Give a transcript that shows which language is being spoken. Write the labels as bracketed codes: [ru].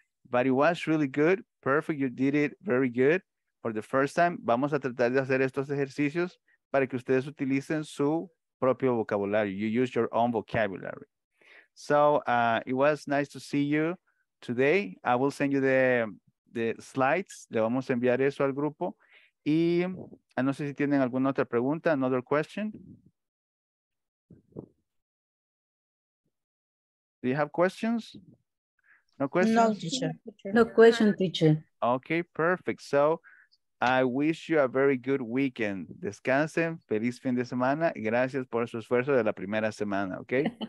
[en] But it was really good, perfect, you did it very good. For the first time, [es] vamos a tratar de hacer estos ejercicios para que ustedes utilicen su propio vocabulario. [en] You use your own vocabulary. So it was nice to see you today. I will send you the slides. [es] Le vamos a enviar eso al grupo. Y no sé si tienen alguna otra pregunta, [en] another question. Do you have questions? No questions? No, teacher. No question, teacher. Okay, perfect. So I wish you a very good weekend. [es] Descansen. Feliz fin de semana. Gracias por su esfuerzo de la primera semana, okay?